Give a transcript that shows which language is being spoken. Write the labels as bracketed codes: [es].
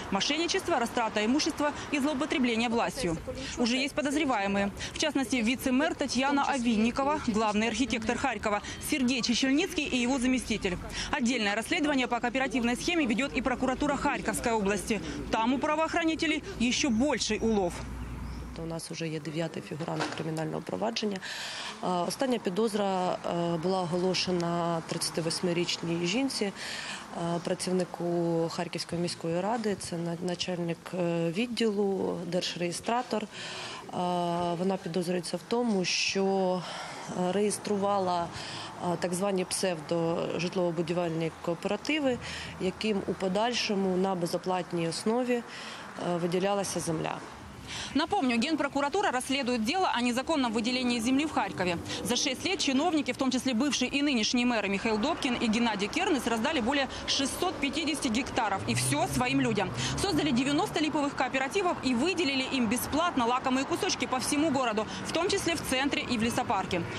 [ru] Мошенничество, растрата имущества и злоупотребление властью. Уже есть подозреваемые. В частности, вице-мэр Татьяна Овинникова, главный архитектор Харькова, Сергей Чечельницкий и его заместитель. Отдельное расследование по кооперативной схеме ведет и прокуратура Харьковской области. Там у правоохранителей еще больший улов. [uk] У нас уже є 9-й фігурант кримінального провадження. Остання підозра була оголошена 38-річній жінці, працівнику Харківської міської ради. Це начальник відділу, держреєстратор. Вона підозрюється в тому, що реєструвала так звані псевдо-житлово-будівельні кооперативи, яким у подальшому на безоплатній основі виділялася земля. [ru] Напомню, генпрокуратура расследует дело о незаконном выделении земли в Харькове. За 6 лет чиновники, в том числе бывший и нынешний мэр Михаил Добкин и Геннадий Кернес, раздали более 650 гектаров. И все своим людям. Создали 90 липовых кооперативов и выделили им бесплатно лакомые кусочки по всему городу, в том числе в центре и в лесопарке.